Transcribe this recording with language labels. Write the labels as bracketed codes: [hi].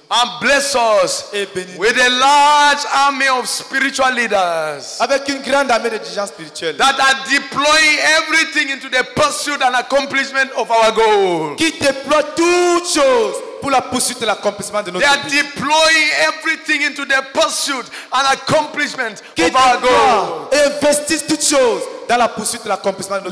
[en] And bless us with a large army of spiritual leaders. [fr] Avec une grande armée de dirigeants spirituels. [en] That are deploying everything into the pursuit and accomplishment of our goal. [fr] Qui déploie toutes choses pour la poursuite et l'accomplissement de notre but. [en] They are deploying everything into the pursuit and accomplishment of our goal. [fr] Qui investit toutes choses dans la poursuite et l'accomplissement de notre